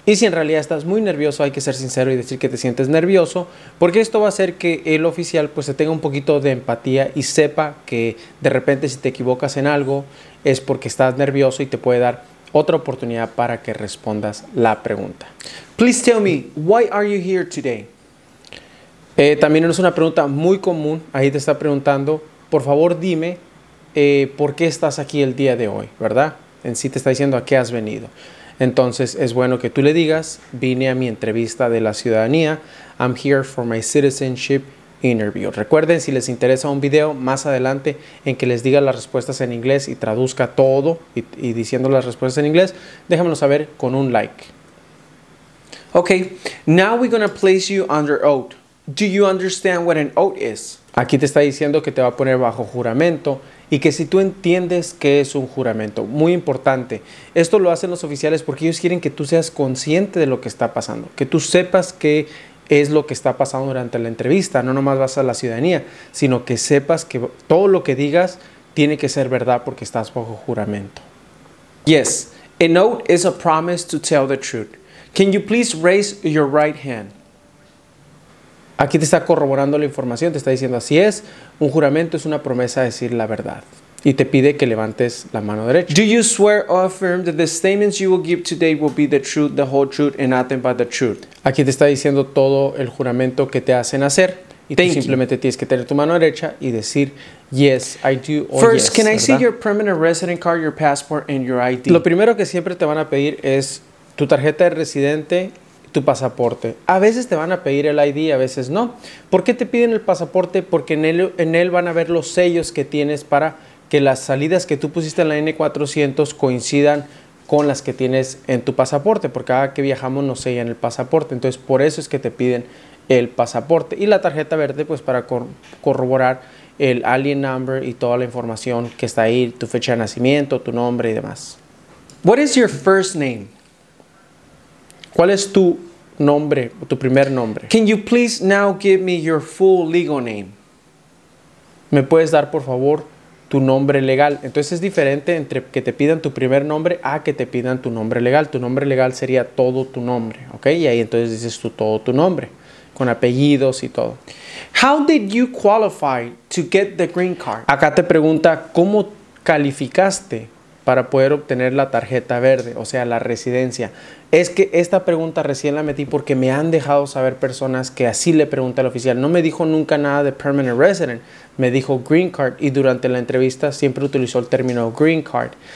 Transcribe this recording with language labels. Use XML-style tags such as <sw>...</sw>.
<es>Y si en realidad estás muy nervioso, hay que ser sincero y decir que te sientes nervioso, porque esto va a hacer que el oficial pues se tenga un poquito de empatía y sepa que de repente si te equivocas en algo es porque estás nervioso y te puede dar otra oportunidad para que respondas la pregunta.</es> <en>Please tell me, why are you here today?</en> <es>También es una pregunta muy común. Ahí te está preguntando, por favor dime por qué estás aquí el día de hoy, ¿verdad? En sí te está diciendo a qué has venido. Entonces es bueno que tú le digas, vine a mi entrevista de la ciudadanía.</es> <en>I'm here for my citizenship interview.</en> <es>Recuerden, si les interesa un video más adelante en que les diga las respuestas en inglés y traduzca todo y diciendo las respuestas en inglés, déjamelo saber con un like.</es> <en>Okay, now we're going to place you under oath. Do you understand what an oath is?</en> <es>Aquí te está diciendo que te va a poner bajo juramento y que si tú entiendes qué es un juramento, muy importante. Esto lo hacen los oficiales porque ellos quieren que tú seas consciente de lo que está pasando, que tú sepas qué es lo que está pasando durante la entrevista. No nomás vas a la ciudadanía, sino que sepas que todo lo que digas tiene que ser verdad porque estás bajo juramento.</es> <en>Yes, an oath is a promise to tell the truth. Can you please raise your right hand?</en> <es>Aquí te está corroborando la información, te está diciendo así es. Un juramento es una promesa de decir la verdad. Y te pide que levantes la mano derecha.</es> <en>Do you swear or affirm that the statements you will give today will be the truth, the whole truth, and nothing but the truth?</en> <es>Aquí te está diciendo todo el juramento que te hacen hacer. Y tú simplemente tienes que tener tu mano derecha y decir</es> <en>yes, I do, or yes. First, can I see your permanent resident card, your passport, and your ID?</en> <es>Lo primero que siempre te van a pedir es tu tarjeta de residente, tu pasaporte. A veces te van a pedir el ID, a veces no. ¿Por qué te piden el pasaporte? Porque en él van a ver los sellos que tienes para que las salidas que tú pusiste en la N400 coincidan con las que tienes en tu pasaporte, porque cada que viajamos nos sellan el pasaporte. Entonces, por eso es que te piden el pasaporte. Y la tarjeta verde, pues, para corroborar el alien number y toda la información que está ahí, tu fecha de nacimiento, tu nombre y demás.</es> <en>What is your first name?</en> <es>¿Cuál es tu nombre, tu primer nombre?</es> <en>Can you please now give me your full legal name?</en> <es>¿Me puedes dar, por favor, tu nombre legal? Entonces es diferente entre que te pidan tu primer nombre a que te pidan tu nombre legal. Tu nombre legal sería todo tu nombre, ¿ok? Y ahí entonces dices tú todo tu nombre, con apellidos y todo.</es> <en>How did you qualify to get the green card?</en> <es>Acá te pregunta, ¿cómo calificaste para poder obtener la tarjeta verde, o sea, la residencia? Es que esta pregunta recién la metí porque me han dejado saber personas que así le pregunta al oficial. No me dijo nunca nada de permanent resident, me dijo green card y durante la entrevista siempre utilizó el término green card.</es>